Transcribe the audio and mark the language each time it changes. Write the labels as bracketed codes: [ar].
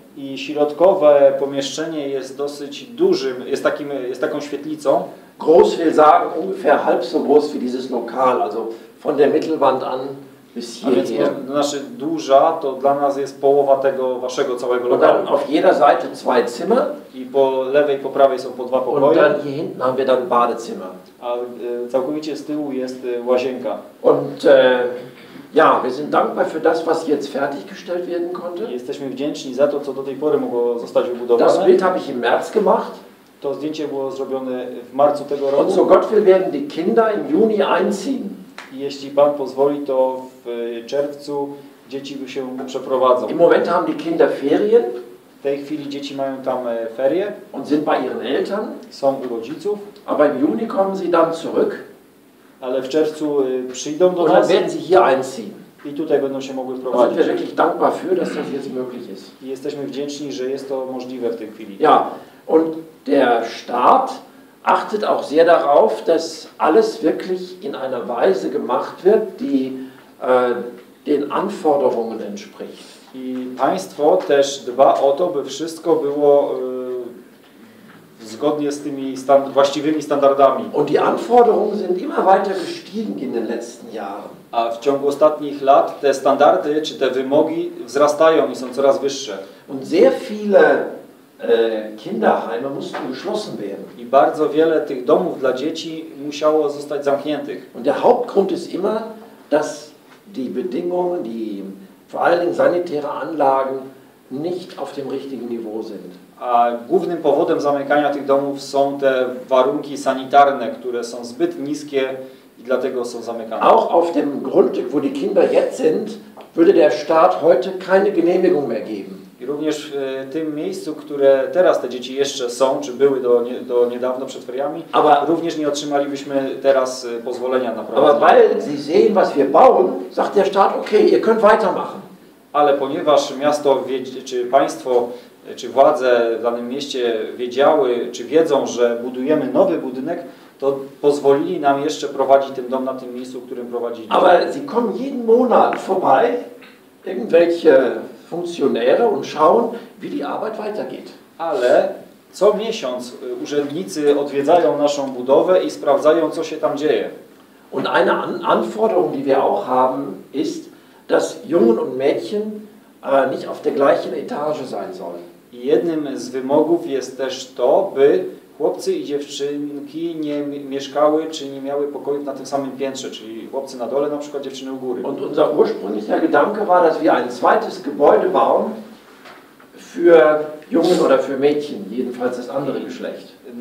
[pl] I środkowe pomieszczenie jest dosyć dużym, jest taką świetlicą. [de] Groß will sagen, ungefähr halb so groß wie dieses Lokal. Also von der Mittelwand an. [pl] A więc nasze duża to dla nas jest połowa tego waszego całego lokalu. [de] Auf jeder Seite zwei Zimmer. [pl] I po lewej, po prawej są po dwa pokoje. [de] Und dann hier hinten haben wir dann Badezimmer. [pl] A całkowicie z tyłu jest łazienka. [de] Und ja, wir sind dankbar für das, was jetzt fertiggestellt werden konnte. [pl] Jesteśmy wdzięczni za to, co do tej pory mogło zostać wybudowane. [de] Das Bild habe ich im März gemacht. [pl] To zdjęcie było zrobione w marcu tego roku. [de] Und so Gott will, werden die Kinder im Juni einziehen. [pl] Jeśli Pan pozwoli, to w czerwcu dzieci się przeprowadzą. [de] Im Moment haben die Kinder Ferien. [pl] W tej chwili dzieci mają tam ferie. [de] Und sind bei ihren Eltern. [pl] Są u rodziców. [de] Aber im Juni kommen sie dann zurück. [pl] Ale w czerwcu przyjdą do [de] und [pl] nas. [de] Werden sie hier einziehen. [pl] I tutaj będą się mogły wprowadzić. [de] Sind wir wirklich dankbar für, dass das jetzt möglich ist. [pl] I jesteśmy wdzięczni, że jest to możliwe w tej chwili. [de] Ja, und der Staat achtet auch sehr darauf, dass alles wirklich in einer Weise gemacht wird, die den Anforderungen entspricht. [pl] I państwo też dba o to, by wszystko było zgodnie z tymi właściwymi standardami. [de] Und die Anforderungen sind immer weiter gestiegen in den letzten Jahren. [pl] A w ciągu ostatnich lat te standardy czy te wymogi wzrastają i są coraz wyższe. [de] Und sehr viele Kinderheime mussten geschlossen werden. [pl] I bardzo wiele tych domów dla dzieci musiało zostać zamkniętych. [de] Und der Hauptgrund ist immer, dass die Bedingungen, die vor allen Dingen sanitäre Anlagen nicht auf dem richtigen Niveau sind. [pl] A głównym powodem zamykania tych domów są te warunki sanitarne, które są zbyt niskie i dlatego są zamykane. [de] Auch auf dem Grundstück, wo die Kinder jetzt sind, würde der Staat heute keine Genehmigung mehr geben. [pl] I również w tym miejscu, które teraz te dzieci jeszcze są, czy były do niedawno przed feriami, [de] aber [pl] również nie otrzymalibyśmy teraz pozwolenia na prowadzenie. [de] Aber weil sie sehen, was wir bauen, sagt der Staat, okay, ihr könnt weitermachen. [pl] Ale ponieważ miasto, czy państwo, czy władze w danym mieście wiedziały, czy wiedzą, że budujemy nowy budynek, to pozwolili nam jeszcze prowadzić ten dom na tym miejscu, w którym prowadzili. [de] Aber sie kommen jeden Monat vorbei, irgendwelche funkcjonäre und schauen, wie die Arbeit weitergeht. [pl] Ale co miesiąc urzędnicy odwiedzają naszą budowę i sprawdzają, co się tam dzieje. [de] Und eine Anforderung, die wir auch haben, ist, dass Jungen und Mädchen nicht auf der gleichen Etage sein sollen. [pl] I jednym z wymogów jest też to, by chłopcy i dziewczynki nie mieszkały, czy nie miały pokoju na tym samym piętrze, czyli chłopcy na dole, na przykład dziewczyny u góry. [de] Und unser ursprünglicher Gedanke war, dass wir ein zweites Gebäude bauen für Jungen oder für Mädchen, jedenfalls das andere Geschlecht.